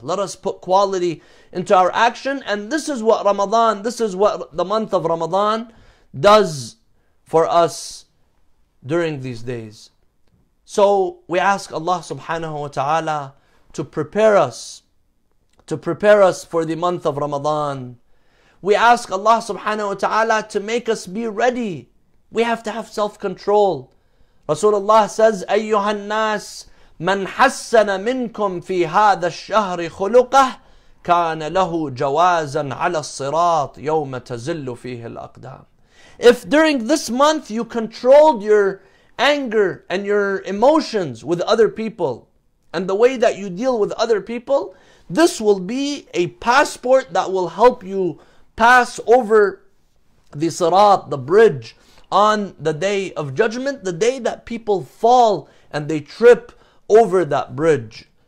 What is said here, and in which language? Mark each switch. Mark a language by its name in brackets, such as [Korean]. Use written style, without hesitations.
[English] Let us put quality into our action. And this is what Ramadan, this is what the month of Ramadan does for us during these days. So we ask Allah subhanahu wa ta'ala to prepare us, to prepare us for the month of Ramadan. We ask Allah subhanahu wa ta'ala to make us be ready. We have to have self-control. Rasulullah says, [Arabic] أَيُّهَا النَّاسِ مَنْ حَسَّنَ مِنْكُمْ فِي هَذَا الشَّهْرِ خُلُقَهُ كَانَ لَهُ جَوَازًا عَلَى الصِّرَاطِ يَوْمَ تَزِلُّ فِيهِ الْأَقْدَامِ. [English] If during this month you controlled your anger and your emotions with other people, and the way that you deal with other people, this will be a passport that will help you pass over the sirat, the bridge, on the day of judgment, the day that people fall and they trip over that bridge.